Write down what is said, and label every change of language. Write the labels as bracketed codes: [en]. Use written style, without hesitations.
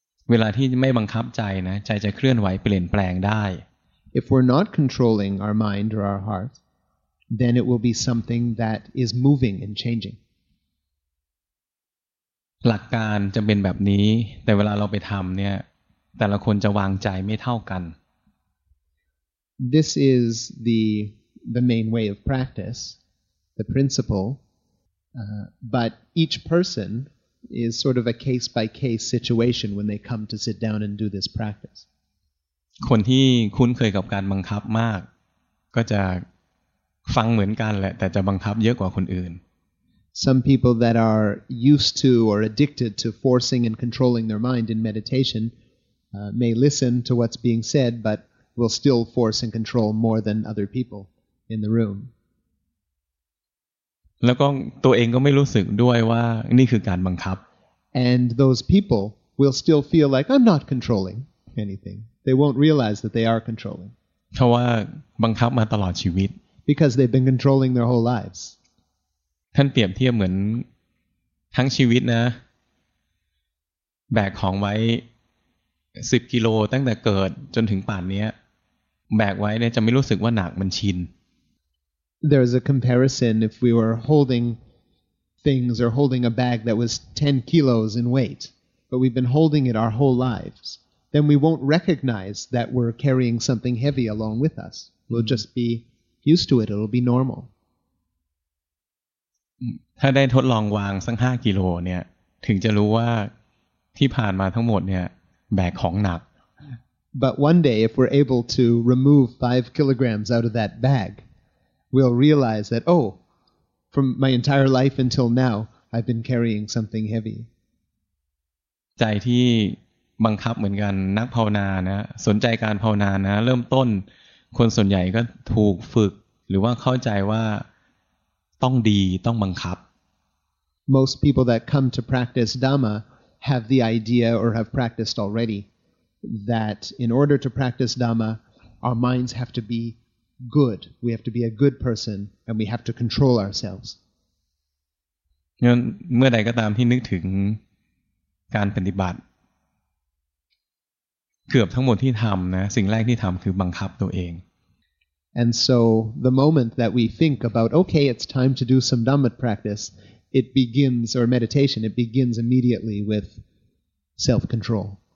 [th] เวลาที่ไม่บังคับใจนะใจจะเคลื่อนไหวเปลี่ยนแปลงได้ [en] If we're not controlling our mind or our heart, then it will be something that is moving and changing. [th] หลักการจะเป็นแบบนี้แต่เวลาเราไปทำเนี่ยแต่ละคนจะวางใจไม่เท่ากัน [en] This is the main way of practice, the principle. But each person is sort of a case by case situation when they come to sit down and do this practice. [th] คนที่คุ้นเคยกับการบังคับมากก็จะฟังเหมือนกันแหละแต่จะบังคับเยอะกว่าคนอื่น [en] Some people that are used to or addicted to forcing and controlling their mind in meditation may listen to what's being said but will still force and control more than other people in the room. [th] แล้วก็ตัวเองก็ไม่รู้สึกด้วยว่านี่คือการบังคับ [en] And those people will still feel like I'm not controlling anything. They won't realize that they are controlling. [th] เพราะว่าบังคับมาตลอดชีวิต [en] Because they've been controlling their whole lives. [th] ท่านเปรียบเทียบเหมือน ทั้งชีวิตนะแบกของไว้10กิโลตั้งแต่เกิดจนถึงป่านนี้แบกไว้เนี่ยจะไม่รู้สึกว่าหนักมันชิน [en] There is a comparison if we were holding things or holding a bag that was 10 kilos in weight but we've been holding it our whole lives then we won't recognize that we're carrying something heavy along with us we'll just be used to it it'll be normal [th] ถ้าได้ทดลองวางสัก5กิโลเนี่ยถึงจะรู้ว่าที่ผ่านมาทั้งหมดเนี่ยแบกของหนัก [en] But one day if we're able to remove 5 kilograms out of that bag we'll realize that oh from my entire life until now I've been carrying something heavy [th] ใจที่บังคับเหมือนกันนักภาวนานะสนใจการภาวนานะเริ่มต้นคนส่วนใหญ่ก็ถูกฝึกหรือว่าเข้าใจว่าต้องดีต้องบังคับ [en] Most people that come to practice Dhamma have the idea or have practiced already that in order to practice Dhamma our minds have to be good we have to be a good person and we have to control ourselves [th] งั้นเมื่อใดก็ตามที่นึกถึงการปฏิบัติเกือบทั้งหมดที่ทำนะสิ่งแรกที่ทำคือบังคับตัวเอง [en] And so the moment that we think about, okay, it's time to do some Dhamma practice, it begins, or meditation, it begins immediately with self-control.